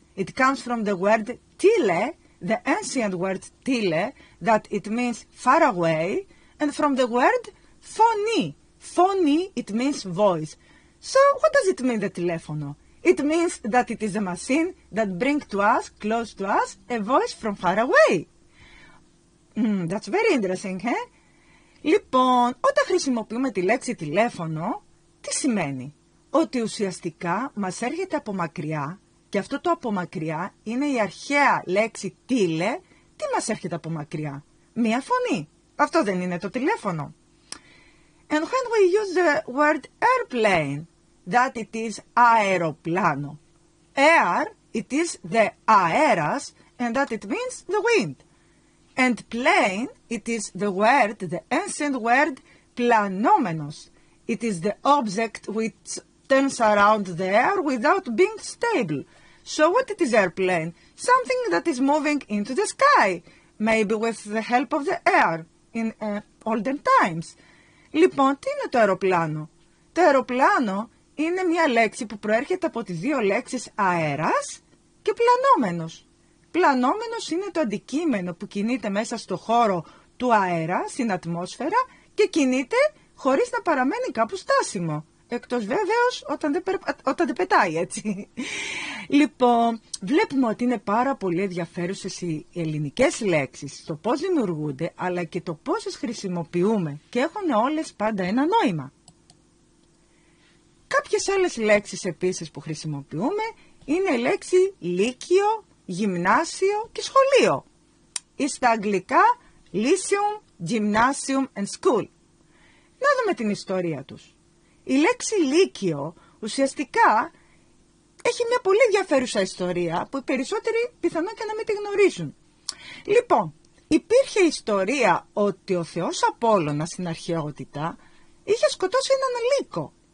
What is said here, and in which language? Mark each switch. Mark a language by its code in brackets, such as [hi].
[en] It comes from the word tele, the ancient word tele, that it means far away, and from the word phony. Phony, it means voice. So what does it mean, the telephono? It means that it is a machine that brings to us, close to us, a voice from far away. That's very interesting, eh? [el] Λοιπόν, όταν χρησιμοποιούμε τη λέξη τηλέφωνο, τι σημαίνει? Ότι ουσιαστικά μας έρχεται από μακριά, και αυτό το από μακριά είναι η αρχαία λέξη τηλε. Τι μας έρχεται από μακριά? Μία φωνή. Αυτό δεν είναι το τηλέφωνο. [en] And when we use the word airplane, that it is αεροπλάνο. Air, it is the αέρας, and that it means the wind. And plane, it is the word, the ancient word, planomenos. It is the object which turns around the air without being stable. So what it is airplane? Something that is moving into the sky, maybe with the help of the air in olden times. [el] Λοιπόν, τι είναι το αεροπλάνο? Το αεροπλάνο είναι μια λέξη που προέρχεται από τις δύο λέξεις αέρας και πλανόμενος. Πλανόμενος είναι το αντικείμενο που κινείται μέσα στο χώρο του αέρα, στην ατμόσφαιρα, και κινείται χωρίς να παραμένει κάπου στάσιμο. Εκτός βέβαιος όταν δεν πετάει, έτσι. Λοιπόν, βλέπουμε ότι είναι πάρα πολύ ενδιαφέρουσες οι ελληνικές λέξεις, το πώς δημιουργούνται, αλλά και το πόσες χρησιμοποιούμε, και έχουν όλες πάντα ένα νόημα. Κάποιες άλλες λέξεις επίσης που χρησιμοποιούμε είναι η λέξη λύκειο, γυμνάσιο και σχολείο. Ή στα αγγλικά, [en] lyceum, gymnasium and school. [el] Να δούμε την ιστορία τους. Η λέξη λύκειο ουσιαστικά έχει μια πολύ ενδιαφέρουσα ιστορία που οι περισσότεροι πιθανόν και να μην τη γνωρίζουν. Λοιπόν, υπήρχε ιστορία ότι ο Θεός Απόλλωνα στην αρχαιότητα είχε σκοτώσει έναν λύκο.